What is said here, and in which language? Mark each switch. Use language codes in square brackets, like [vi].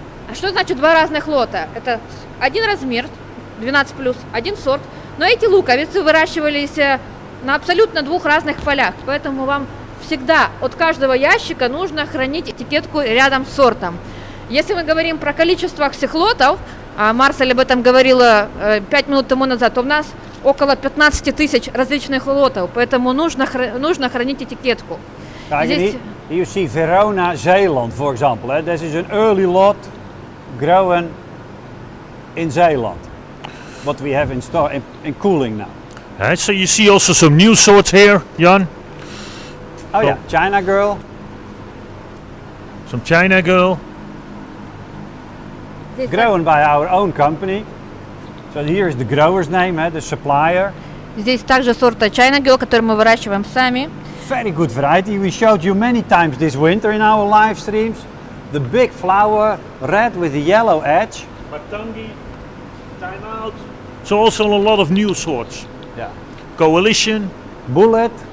[ru] А что значит два разных лота? Это один размер, 12+, один сорт, но эти луковицы выращивались на абсолютно двух разных полях, поэтому вам всегда от каждого ящика нужно хранить этикетку рядом с сортом. Если мы говорим про количество всех лотов, а Марсель об этом говорила 5 минут тому назад, то у нас около 15 тысяч различных лотов, поэтому нужно хранить этикетку. Здесь... [en] You see Verona, Zeeland, for example. This is an early lot growing in Zeeland, what we have in cooling now. So you see also some new sorts here, Jan. Oh yeah, China Girl. Some China Girl. Grown by our own company. So here is the grower's name, the supplier. [ru] Здесь также сорта China Girl, который мы выращиваем сами. [en] Very good variety. We showed you many times this winter in our live streams. The big flower, red with the yellow edge. Batangi, timeout. So also a lot of new sorts. Yeah. Coalition, Bullet.